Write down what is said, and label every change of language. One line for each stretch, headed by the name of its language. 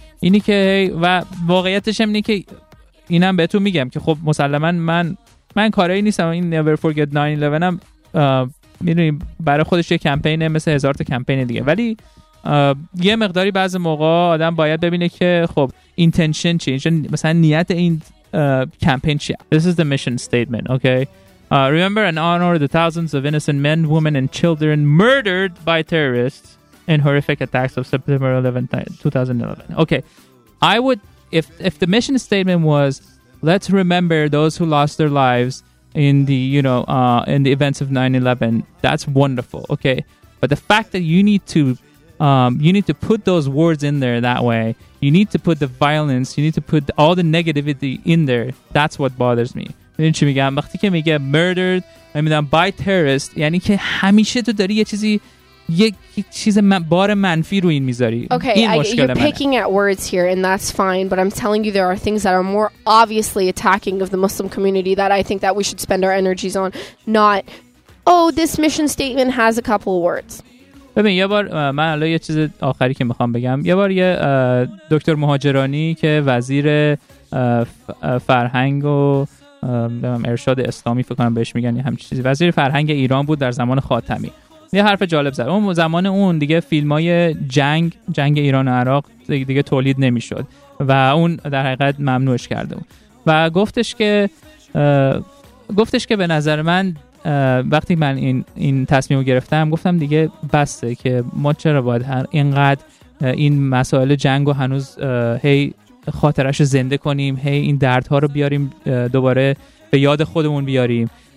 Persian: اینی که و واقعیتش هم اینه که اینم بهتون میگم که خب مسلماً من کارایی نیستم. این Never Forget 9/11 هم میدونیم برای خودش یه کمپینه مثل هزار تا کمپین دیگه، ولی یه مقداری بعض موقع آدم باید ببینه که خب intention چیه، مثلا نیت این کمپین چیه.
English: This is the mission statement, okay? Remember and honor the thousands of innocent men, women and children murdered by terrorists in horrific attacks of September 11, 2011. Okay. I would, if the mission statement was, let's remember those who lost their lives in the, you know, in the events of 9/11, that's wonderful. Okay. But the fact that you need to put those words in there that way, you need to put the violence, you need to put all the negativity in there. That's what bothers me.
Persian: میدونی چی میگم؟ وقتی که میگه
English: murdered by terrorist،
Persian: یعنی که همیشه تو داری یه چیز بار منفی رو این میذاری.
English: Okay,
Persian: این مشکل منه.
English: You're picking at words here and that's fine, but I'm telling you there are things that are more obviously attacking of the Muslim community that I think that we should spend our energies on, not oh this mission statement has a couple of words.
Persian: ببین یه بار من الان یه چیز آخری که میخوام بگم، یه بار یه دکتر مهاجرانی که وزیر فرهنگ و ارشاد اسلامی فکر کنم بهش میگن یه همچی چیزی، وزیر فرهنگ ایران بود در زمان خاتمی، یه حرف جالب زد. اون زمان اون دیگه فیلمای جنگ ایران و عراق دیگه تولید نمیشد و اون در حقیقت ممنوعش کرده بود و گفتش که به نظر من وقتی من این تصمیم رو گرفتم، گفتم دیگه بسته که ما چرا باید اینقدر این مسائل جنگ و هنوز هی خاطرش رو زنده کنیم، هی این دردها رو بیاریم دوباره به یاد خودمون بیاریم.